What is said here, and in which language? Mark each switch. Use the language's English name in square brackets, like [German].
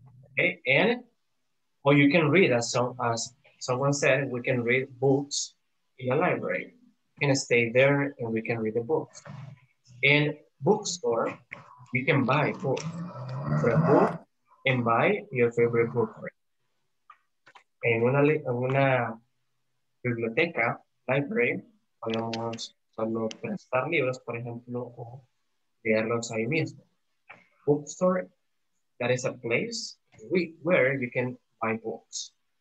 [English] Okay, and or you can read, as someone said, we can read books in the library. You can stay there and we can read the book. In bookstore, you can buy books. For a book and buy your favorite book. [Spanish] En una biblioteca, library, podemos solo prestar libros, por ejemplo, o leerlos ahí mismo. [English] Bookstore, that is a place where you can buy books.